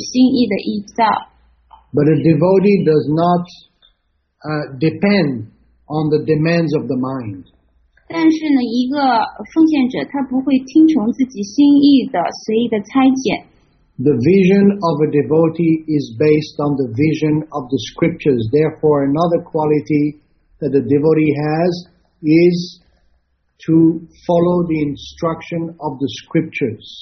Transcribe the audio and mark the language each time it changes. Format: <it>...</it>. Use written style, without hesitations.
<zh>所以说呢，就是说，你这个是朋友，那个是敌人，其实这些都是心意的臆造。 But</zh> <en>a devotee does not depend on the demands of the mind.</en> <zh>但是呢，一个奉献者他不会听从自己心意的随意的差遣。 The</zh> <en>vision of a devotee is based on the vision of the scriptures. Therefore, another quality that a devotee has is to follow the instruction of the scriptures.</en>